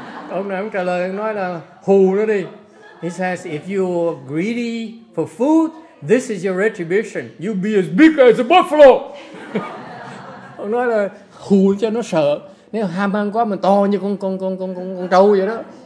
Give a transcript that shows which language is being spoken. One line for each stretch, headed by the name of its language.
Vietnamese: Ông này trả lời nói là hù nó đi.
English: He says, if you're greedy for food, this is your retribution. You'll be as big as a buffalo.
Vietnamese: Ông nói là hù cho nó sợ. Nếu ham ăn quá mình to như con trâu vậy đó.